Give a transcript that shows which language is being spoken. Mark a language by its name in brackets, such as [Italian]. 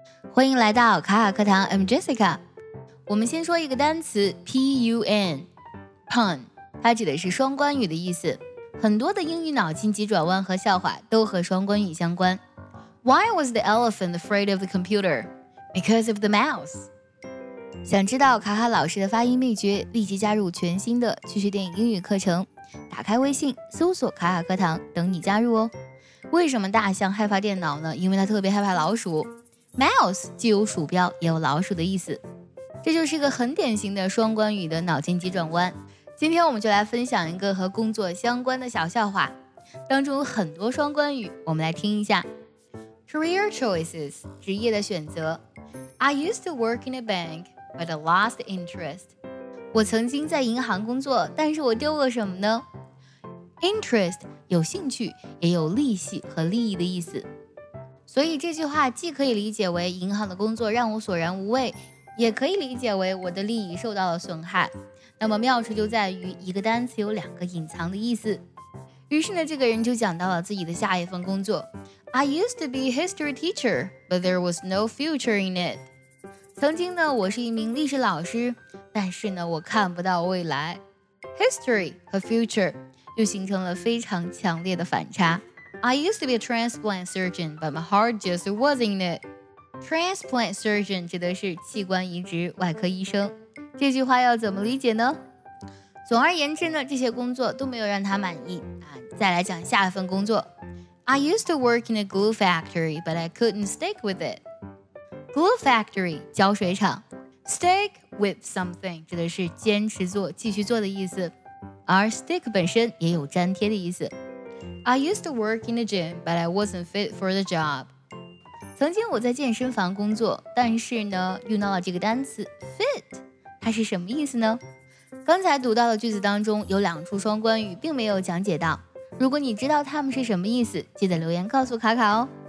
[Chinese] 欢迎来到卡卡课堂 ， [English] I'm Jessica。 [Chinese] 我们先说一个单词 ，pun， pun， 它指的是双关语的意思。很多的英语脑筋急转弯和笑话都和双关语相关。 [English] Why was the elephant afraid of the computer? Because of the mouse。 [Chinese] 想知道卡卡老师的发音秘诀，立即加入全新的趣趣电影英语课程。打开微信，搜索卡卡课堂，等你加入哦。为什么大象害怕电脑呢？因为它特别害怕老鼠。Mouse 既有鼠标也有老鼠的意思，这就是一个很典型的双关语的脑筋急转弯。今天我们就来分享一个和工作相关的小笑话，当中有很多双关语，我们来听一下。 [English] Career choices [Chinese] 职业的选择。 [English] I used to work in a bank but I lost interest。 [Chinese] 我曾经在银行工作，但是我丢了什么呢？Interest 有兴趣，也有利息和利益的意思，所以这句话既可以理解为银行的工作让我索然无味，也可以理解为我的利益受到了损害。那么妙处就在于一个单词有两个隐藏的意思。于是呢，这个人就讲到了自己的下一份工作。 [English] I used to be a history teacher, but there was no future in it. [Chinese] 曾经呢，我是一名历史老师，但是呢，我看不到未来。 History 和 future 又形成了非常强烈的反差。 [English] I used to be a transplant surgeon, but my heart just wasn't it. [Chinese] Transplant surgeon 指的是器官移植外科医生。这句话要怎么理解呢？总而言之呢，这些工作都没有让他满意。再来讲下一份工作。 [English] I used to work in a glue factory, but I couldn't stick with it. Glue factory, [Chinese] 胶水厂。 Stick with something 指的是坚持做、继续做的意思。而 stick 本身也有粘贴的意思。 [English] I used to work in the gym, but I wasn't fit for the job. [Chinese] 曾经我在健身房工作，但是呢，用到了这个单词 fit， 它是什么意思呢？刚才读到的句子当中有两处双关语，并没有讲解到。如果你知道它们是什么意思，记得留言告诉卡卡哦。